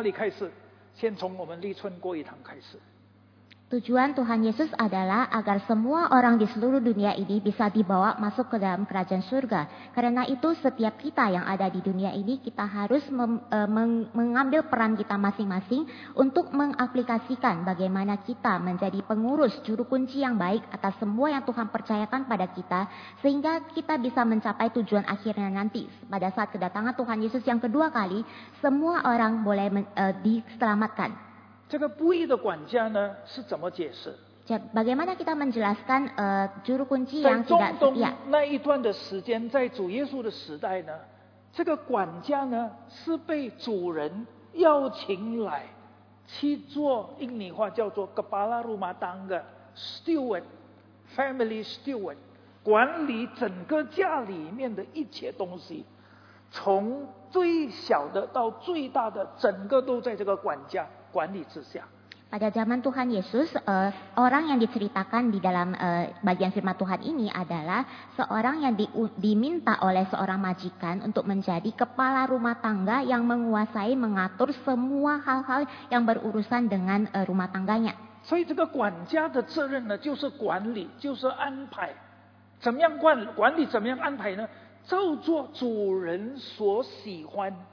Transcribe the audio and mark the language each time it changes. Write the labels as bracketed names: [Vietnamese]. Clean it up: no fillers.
[Chinese] 到最后，天父所讲的，愿万人得救，不愿一人沉沦，不是单单一个口号。希望在主耶稣第二次再来之前，成为一个事实。从哪里开始？先从我们立春过一堂开始。 [Indonesian] Tujuan Tuhan Yesus adalah agar semua orang di seluruh dunia ini bisa dibawa masuk ke dalam kerajaan surga. Karena itu setiap kita yang ada di dunia ini, kita harus mengambil peran kita masing-masing untuk mengaplikasikan bagaimana kita menjadi pengurus, juru kunci yang baik atas semua yang Tuhan percayakan pada kita. Sehingga kita bisa mencapai tujuan akhirnya nanti. Pada saat kedatangan Tuhan Yesus yang kedua kali, semua orang boleh diselamatkan. [Chinese] 这个不义的管家呢是怎么解释？ [Indonesian] Bagaimana kita menjelaskan juru kunci yang tidak setia? [Chinese] 在中东那一段的时间，在主耶稣的时代呢， 这个管家呢是被主人邀请来去做，印尼话叫做 [Indonesian] kepala rumah tangga [English] steward, family steward， [Chinese] 管理整个家里面的一切东西，从最小的到最大的，整个都在这个管家。 [Indonesian] Pada zaman Tuhan Yesus, orang yang diceritakan di dalam bagian firman Tuhan ini adalah seorang yang diminta oleh seorang majikan untuk menjadi kepala rumah tangga yang menguasai, mengatur semua hal-hal yang berurusan dengan rumah tangganya. [Chinese] Jadi, 这个管家的责任呢，就是管理，就是安排。怎么样管理？怎么样安排呢？照做主人所喜欢。